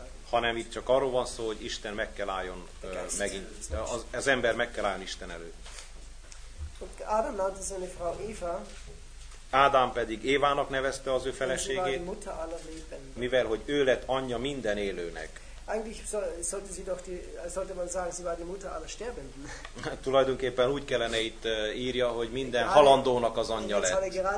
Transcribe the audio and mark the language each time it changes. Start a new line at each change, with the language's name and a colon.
Hungarian: Hanem itt csak arról van szó, hogy Isten meg kell álljon megint. Az ember meg kell álljon Isten előtt.
German: Adam nannte seine Frau Eva.
Hungarian: Ádám pedig Évának nevezte az ő feleségét. Mivel hogy ő lett anyja minden élőnek.
German: Eigentlich sollte sie doch sollte man sagen, sie war die Mutter aller Sterbenden.
Hungarian: Tulajdonképpen úgy kellene itt írja, hogy minden halandónak az anyja lett.